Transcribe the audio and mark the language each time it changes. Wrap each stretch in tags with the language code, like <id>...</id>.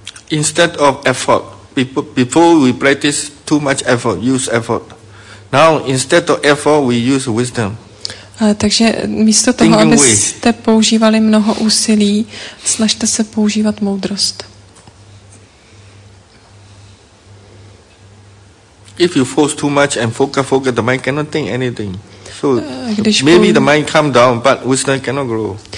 <en>Instead of effort, before we practice too much effort, use effort. Now, instead of effort, we use wisdom.</en> <cs>Takže místo toho, abyste používali mnoho úsilí, snažte se používat moudrost.</cs> <en>If you force too much and focus, the mind cannot think anything. So maybe the mind calm down, but wisdom cannot grow.</en>